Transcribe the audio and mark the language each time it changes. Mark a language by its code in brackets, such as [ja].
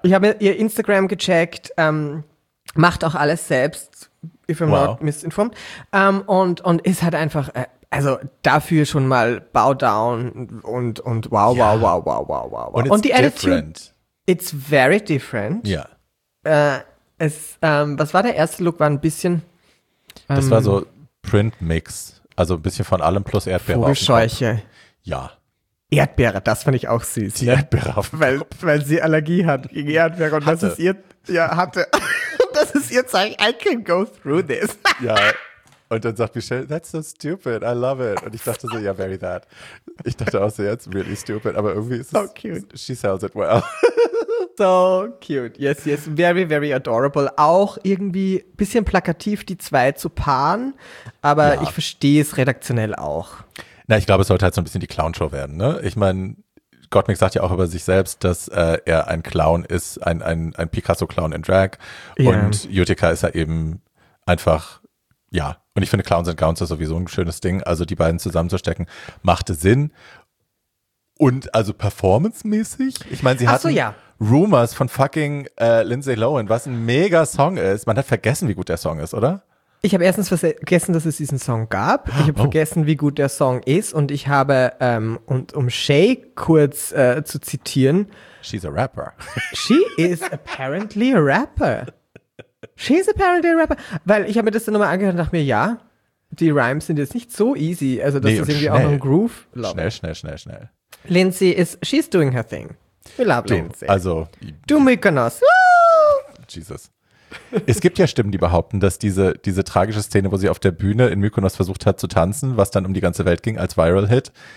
[de] Ich habe ihr Instagram gecheckt, macht auch alles selbst, [en] if I'm not misinformed. [de] Und ist halt einfach. Also dafür schon mal [en] bow down [de] und wow. Und die different. [en] Attitude, it's very different. [de] Ja. Was war der erste Look? War ein bisschen. Das war so Print Mix, also ein bisschen von allem plus Erdbeere. Vogelscheuche. Ja. Erdbeere, das fand ich auch süß. Die Erdbeere auf dem Kopf. Weil sie Allergie hat gegen Erdbeere und hatte. Das ist ihr. Ja, hatte. Das ist ihr Zeichen. [en] I can go through this. [de] Ja. Und dann sagt Michelle, [en] that's so stupid, I love it. [de] Und ich dachte so, [en] yeah, very that. [de] Ich dachte auch so, [en] yeah, it's really stupid, [de] aber irgendwie ist so es, cute. [en] She sells it well. So cute, yes, yes, very, very adorable. [de] Auch irgendwie ein bisschen plakativ, die zwei zu paaren, aber ich verstehe es redaktionell auch. Na, ich glaube, es sollte halt so ein bisschen die Clown-Show werden, ne? Ich meine, Gottmik sagt ja auch über sich selbst, dass er ein Clown ist, ein Picasso-Clown in Drag. Yeah. Und Utica ist ja eben einfach, ja. Und ich finde, Clowns and Gowns ist sowieso ein schönes Ding. Also die beiden zusammenzustecken, machte Sinn. Und also performancemäßig, ich meine, sie hatten Rumors von fucking Lindsay Lohan, was ein mega Song ist. Man hat vergessen, wie gut der Song ist, oder? Ich habe erstens vergessen, dass es diesen Song gab. Ich habe vergessen, wie gut der Song ist. Und ich habe, und um Shay kurz zu zitieren. [en] She's a rapper. She is apparently a rapper. She's apparently a rapper. [de] Weil ich habe mir das dann nochmal angehört und dachte mir, ja, die Rhymes sind jetzt nicht so easy. Also das ist irgendwie auch ein Groove. Schnell. [en] Lindsay she's doing her thing. We love Lindsay. [de] Also. Du Mykonos. Jesus. Es gibt ja Stimmen, die behaupten, dass diese tragische Szene, wo sie auf der Bühne in Mykonos versucht hat zu tanzen, was dann um die ganze Welt ging als Viral Hit.